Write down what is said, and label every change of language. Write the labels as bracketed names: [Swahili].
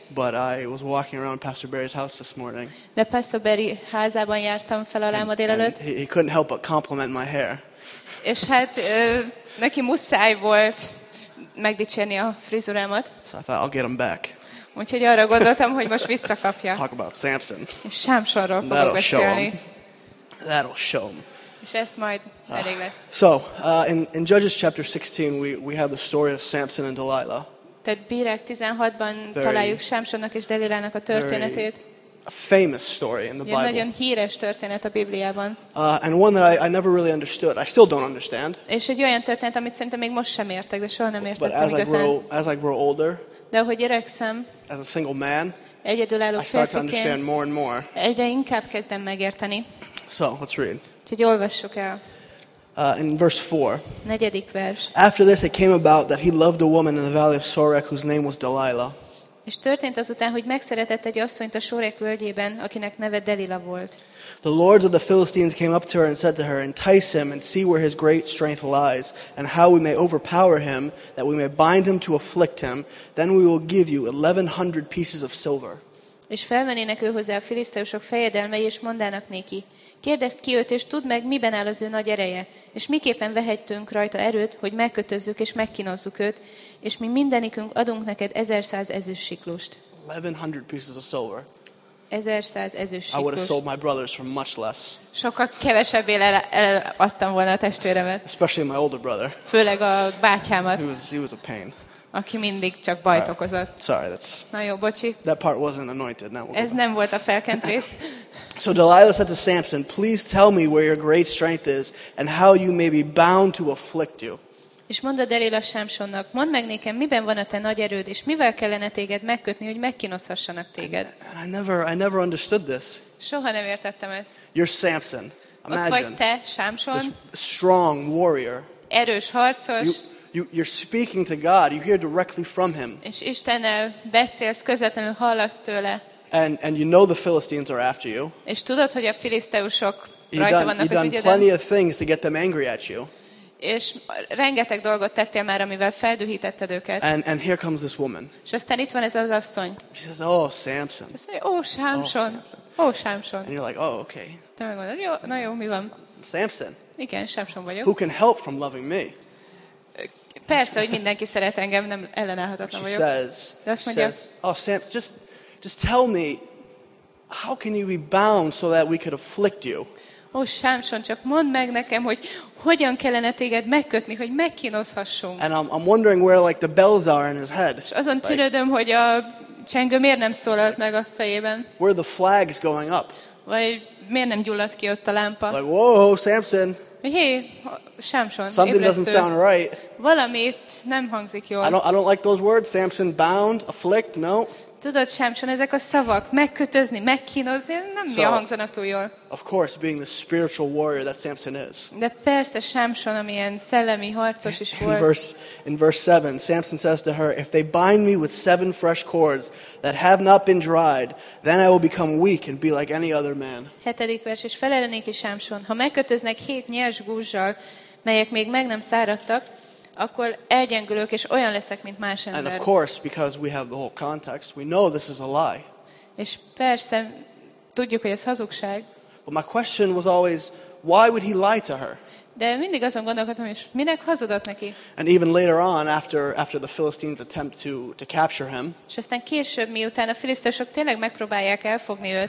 [English] But I was walking around Pastor Barry's house this morning. [Hungarian] De Pastor Barry házában jártam fel alá ma délelőtt. [English] He couldn't help but compliment my hair. [Hungarian] És hát neki muszáj volt megdicsérni a frizurámat. [English] So I thought I'll get him back. [Hungarian] Úgyhogy arra gondoltam, hogy most visszakapja. [English] Talk about Samson. [Hungarian] És Sámsonról fogok beszélni. [English] That'll show him. [Hungarian] És ezt majd elég lesz. [English] So in Judges chapter 16 we have the story of Samson and Delilah. [Hungarian] Tehát Bírek 16-ban találjuk Sámsonnak és Delilának a történetét. [English] A famous story in the Bible. [Hungarian] Nagyon híres történet a Bibliában. [English] And one that I never really understood. I still don't understand. [Hungarian] És egy olyan történet, amit szerintem még most sem értek, de soha nem értettem igazán. [English] As I grow older. [Hungarian] De ahogy öregszem. [English] As a single man. [Hungarian] Egyedülálló férfiként. [English] I start to understand more and more. [Hungarian] Egyre inkább kezdem megérteni. [English] So, let's read. [Hungarian] Úgyhogy olvassuk el. [English] In verse 4. [Hungarian] Negyedik vers. [English] After this it came about that he loved a woman in the valley of Sorek whose name was Delilah. [Hungarian] És történt azután, hogy megszeretett egy asszonyt a Sorek völgyében, akinek neve Delila volt. [English] The lords of the Philistines came up to her and said to her, entice him and see where his great strength lies, and how we may overpower him, that we may bind him to afflict him, then we will give you 1,100 pieces of silver. [Hungarian] És felmennének ő hozzá a filiszteusok fejedelmei, és mondának neki, kérdezd ki őt, és tudd meg, miben áll az ő nagy ereje, és miképpen vehettünk rajta erőt, hogy megkötözzük és megkínozzuk őt, és mi mindenikünk adunk neked 1,100 ezüst siklust. [English] 1,100 pieces of silver. [Hungarian] 1,100 ezüst siklust. [English] I would have sold my brothers for much less. [Hungarian] Sokkal kevesebbé eladtam volna a testvéremet. [English] Especially my older brother. [Hungarian] Főleg a bátyámat. [English] He was a pain. [Hungarian] Aki mindig csak bajt [English] right. [Hungarian] okozott. [English] Sorry, that's... [Hungarian] Na jó, bocsi. [English] That part wasn't anointed. Now we'll [Hungarian] ez nem volt a felkent rész. [English] So Delilah said to Samson, please tell me where your great strength is and how you may be bound to afflict you. [Hungarian] És mondta Delila Sámsonnak, mondd meg nékem, miben van a te nagy erőd, és mivel kellene téged megkötni, hogy megkínoszhassanak téged. [English] I never understood this. [Hungarian] Soha nem értettem ezt. [English] You're Samson. Imagine. [Hungarian] Ott vagy te, Sámson. [English] This strong warrior. [Hungarian] Erős harcos. [English] You're speaking to God. You hear directly from him. [Hungarian] És Istennel beszélsz, közvetlenül hallasz tőle. [English] And you know the Philistines are after you. [Hungarian] És tudod, hogy a filiszteusok rajta vannak az ügyeden. [English] You've done plenty of things to get them angry at you. [Hungarian] És rengeteg dolgot tettél már, amivel feldühítetted őket. [English] And here comes this woman. [Hungarian] És aztán itt van ez az asszony. [English] She says, oh, Samson. [Hungarian] És mondja, oh, Samson. Oh, Samson. [English] And you're like, oh, okay. [Hungarian] Te megmondod, jó, na jó, mi van? [English] Samson. [Hungarian] Igen, Samson vagyok. [English] Who can help from loving me? [Hungarian] Persze, hogy mindenki szeret engem, nem ellenállhatatlan vagyok. [English] Oh, Samson, just tell me, how can you be bound so that we could afflict you? [Hungarian] Ó, Sámson, csak mondd meg nekem, hogy hogyan kellene téged megkötni, hogy megkínozhassunk. [English] And I'm wondering where like the bells are in his head. [Hungarian] És azon tűnődöm, hogy a csengő miért nem szólalt meg a fejében. [English] Where are the flags going up? [Hungarian] Vagy miért nem gyulladt ki ott a lámpa? [English] Like, whoa, Samson. [Hungarian] Hé, Sámson. [English] Something doesn't sound right. [Hungarian] Valamit nem hangzik jól. [English] I don't like those words, Samson, bound, afflict, no. [Hungarian] Tudod, Sámson, ezek a szavak, megkötözni, megkínozni, nem mi a hangzanak túl jól. [English] Of course, being the spiritual warrior that Samson is. [Hungarian] De persze, Sámson, amilyen szellemi harcos is volt. [English] In verse 7, Samson says to her, if they bind me with 7 fresh cords that have not been dried, then I will become weak and be like any other man. [Hungarian] Hetedik vers, és felelenéki Sámson, ha megkötöznek 7 nyers gúzzsal, melyek még meg nem száradtak, akkor elgyengülök és olyan leszek, mint más ember. [English] And of course, because we have the whole context, we know this is a lie. [Hungarian] És persze tudjuk, hogy ez hazugság. [English] But my question was always, why would he lie to her? [Hungarian] De mindig azon gondolkodtam, és minek hazudott neki? [English] And even later on, after the Philistines attempt to capture him. [Hungarian] És aztán később, miután a filiszteusok tényleg megpróbálják elfogni őt.